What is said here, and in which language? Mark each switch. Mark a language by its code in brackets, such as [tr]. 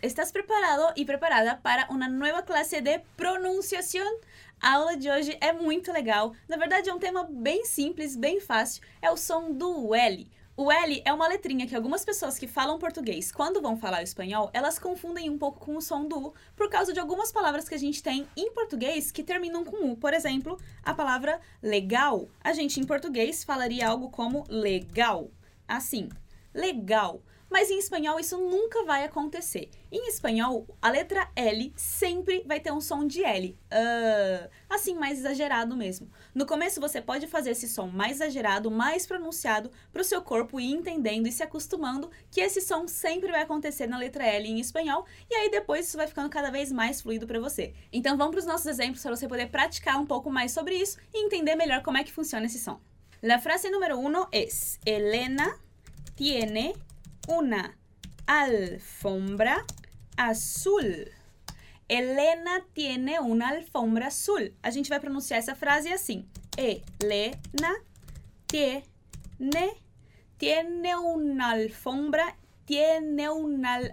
[es] ¿Estás preparado y preparada para una nueva clase de pronunciación? [pt] A aula de hoje é muito legal. Na verdade, é um tema bem simples, bem fácil. É o som do L. O L é uma letrinha que algumas pessoas que falam português, quando vão falar espanhol, elas confundem um pouco com o som do U, por causa de algumas palavras que a gente tem em português que terminam com U. Por exemplo, a palavra legal. A gente, em português, falaria algo como legal. Assim, legal. Mas em espanhol isso nunca vai acontecer. Em espanhol, a letra L sempre vai ter um som de L. Assim, mais exagerado mesmo. No começo, você pode fazer esse som mais exagerado, mais pronunciado, para o seu corpo ir entendendo e se acostumando que esse som sempre vai acontecer na letra L em espanhol. E aí, depois, isso vai ficando cada vez mais fluido para você. Então, vamos para os nossos exemplos para você poder praticar um pouco mais sobre isso e entender melhor como é que funciona esse som. [es] La frase número 1 es Elena tiene una alfombra azul. Elena tiene una alfombra azul. [pt] A gente vai pronunciar essa frase assim. [es] Elena tiene, tiene una alfombra, tiene una...